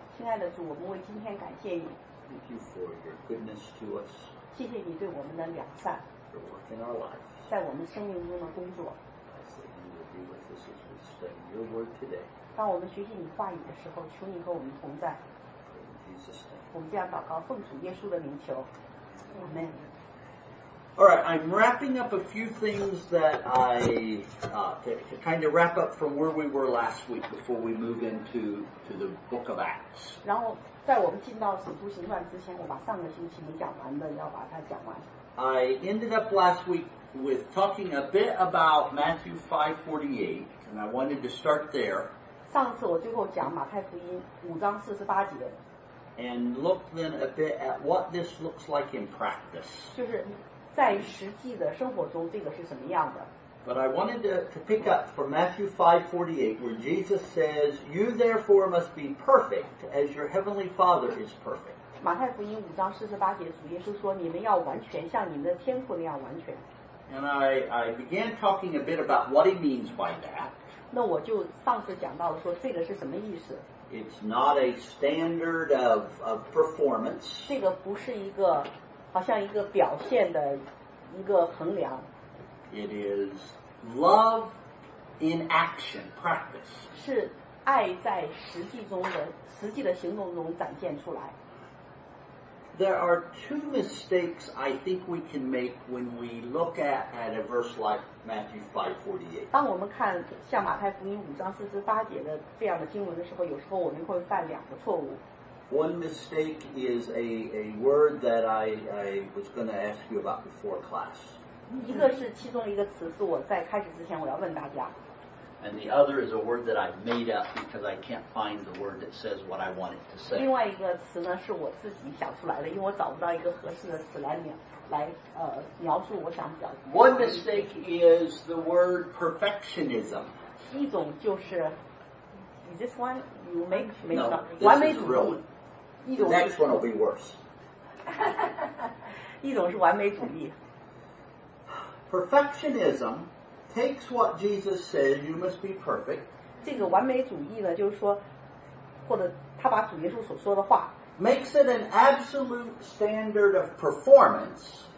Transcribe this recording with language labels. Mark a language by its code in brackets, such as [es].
[zh] 亲爱的主，我们为今天感谢你。 [en] Thank you for your goodness to us. [zh] 谢谢你对我们的良善。 [en] For work in our lives. [zh] 在我们生命中的工作。 [en] I say you will be with us as we study your word today. [zh] 当我们学习你话语的时候，求你和我们同在。 [en] In Jesus' name. [zh] 我们这样祷告，奉主耶稣的名求。 [en] Amen. All right, I'm wrapping up a few things that to kind of wrap up from where we were last week before we move into the book of Acts. [zh] 然后在我们进到使徒行传之前，我把上个星期没讲完的要把它讲完。 [en] I ended up last week with talking a bit about Matthew 5:48, and I wanted to start there. [zh] 上次我最后讲马太福音五章四十八节。 [en] And look then a bit at what this looks like in practice. [zh] 就是在实际的生活中，这个是什么样的 [en] ？But I wanted to pick up from Matthew 5:48, where Jesus says, "You therefore must be perfect, as your heavenly Father is perfect." [zh] 马太福音五章四十八节，主耶稣说：“你们要完全，像你们的天父那样完全。 [en] ”And I began talking a bit about what he means by that. [zh] 那我就上次讲到说，这个是什么意思 [en] ？It's not a standard of performance. [zh] 这个不是一个。好像一个表现的一个衡量。 [en] It is love in action, practice. [zh] 是爱在实际中的实际的行动中展现出来。 [en] There are two mistakes I think we can make when we look at a verse like Matthew 5:48. [zh] 当我们看像马太福音五章四十八节的这样的经文的时候，有时候我们会犯两个错误。 [en] One mistake is a word that I was going to ask you about before class. [zh] 一个是其中一个词是我在开始之前我要问大家。 [en] And the other is a word that I've made up because I can't find the word that says what I want it to say. [zh] 另外一个词呢是我自己想出来的，因为我找不到一个合适的词来描述我想表达。 [en] One mistake is the word perfectionism. [zh] 一种就是 [en] is this one you make [zh] no, 完美主义。 [en] This is The next one will be worse. [zh] 一种是完美主义。 [en] Perfectionism takes what Jesus said, you must be perfect. [zh] 这个完美主义呢，就是说，或者他把主耶稣所说的话 [en] makes it an absolute standard of performance.